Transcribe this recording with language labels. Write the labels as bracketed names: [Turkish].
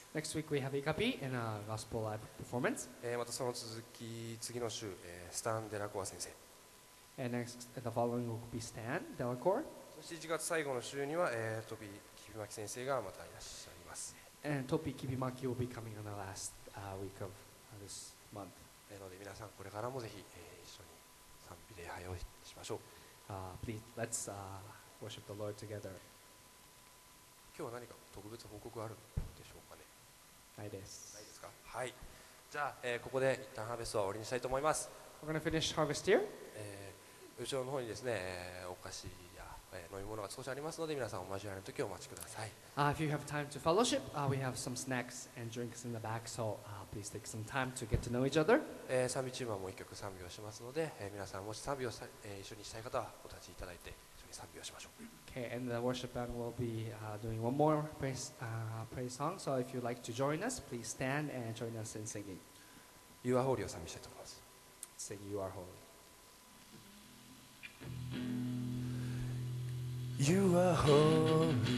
[English] Next week we have イカピー and a gospel live performance. [Japanese] またその続き、次の週、スタン・デラコア先生。 [English] And next, the following will be Stan Delacour. [Japanese] そして1月最後の週には、トピー・キビマキ先生がまたいらっしゃいます。 [English] And トピー・キビマキ will be coming on the last, week of this month. [Japanese] なので皆さん、これからもぜひ、一緒に賛美礼拝をしましょう。 [English] Please, let's worship the Lord together. [Japanese] 今日は何か特別報告あるでしょうかね。ないです。ないですか。はい。じゃあ、ここで一旦ハーベストは終わりにしたいと思います。 [English] We're gonna finish harvest here. [Japanese] 後ろの方にですね、お菓子や、飲み物が少しありますので、皆さんお交わりの時をお待ちください。 [English] If you have time to fellowship, we have some snacks and drinks in the back, so please take some time to get to know each other. [Japanese] 賛美チームはもう一曲賛美をしますので、皆さんもし賛美を、一緒にしたい方はお立ちいただいて一緒に賛美をしましょう。 [English] Okay, and the worship band will be doing one more praise, praise song. So if you'd like to join us, please stand and join us in singing. [Japanese] You are holy を賛美したいと思います。 [English] Sing You are holy. You are holy,